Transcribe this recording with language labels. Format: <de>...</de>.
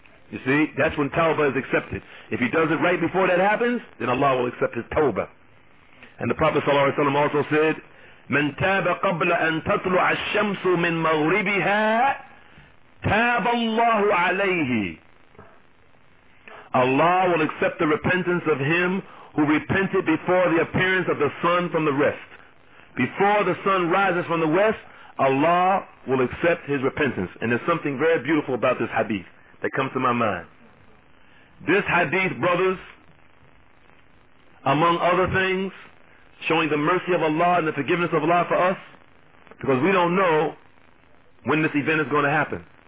<en>You see, that's when tawbah is accepted. If he does it right before that happens, then Allah will accept his tawbah. And the Prophet sallallahu alaihi wasallam also said,</en> <ar>من تاب قبل أن تطلع الشمس من مغربها تاب الله عليه.</ar> <en>Allah will accept the repentance of him who repented before the appearance of the sun from the west. Before the sun rises from the west, Allah will accept his repentance. And there's something very beautiful about this hadith that comes to my mind. This hadith, brothers, among other things, showing the mercy of Allah and the forgiveness of Allah for us, because we don't know when this event is going to happen.</en>